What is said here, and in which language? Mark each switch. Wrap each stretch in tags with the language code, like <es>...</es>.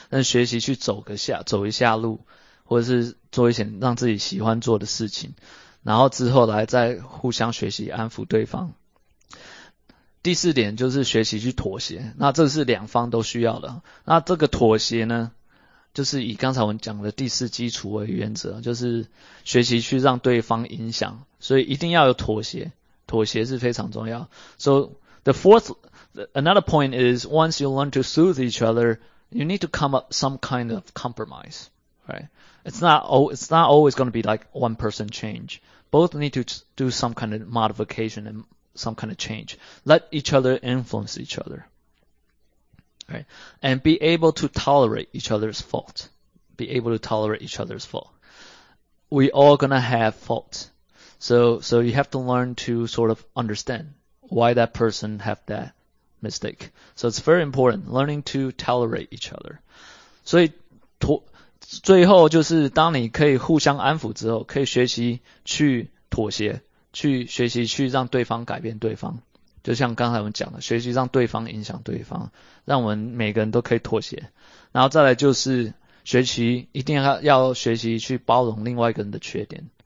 <zh>但是学习去走个下，走一下路，或者是做一些让自己喜欢做的事情，然后之后来再互相学习安抚对方。第四点就是学习去妥协，那这是两方都需要的。那这个妥协呢，就是以刚才我们讲的第四基础为原则，就是学习去让对方影响，所以一定要有妥协。妥协是非常重要。</zh> <en>So, the fourth, another point is, once you learn to soothe each other, you need to come up some kind of compromise, right? It's not always going to be like one person change. Both need to do some kind of modification and some kind of change. Let each other influence each other, right? And be able to tolerate each other's fault. Be able to tolerate each other's fault. We all gonna have faults. So you have to learn to sort of understand why that person have that mistake. So it's very important, learning to tolerate each other.</en> <zh>所以最后就是当你可以互相安抚之后，可以学习去妥协，去学习去让对方改变对方。就像刚才我们讲的，学习让对方影响对方，让我们每个人都可以妥协。然后再来就是学习，一定要学习去包容另外一个人的缺点。</zh>